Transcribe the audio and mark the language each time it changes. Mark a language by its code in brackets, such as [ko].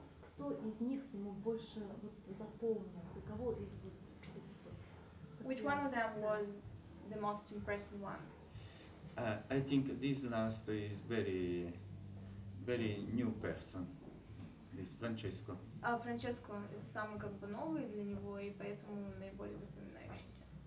[ru] Кто из них ему больше запомнился? Кого из этих? [en] Which one of them was the most impressive one? I think this last is very, very new person. This Francesco. [ru] А Франческо — это самый как бы новый для него, и поэтому наиболее запоминающийся.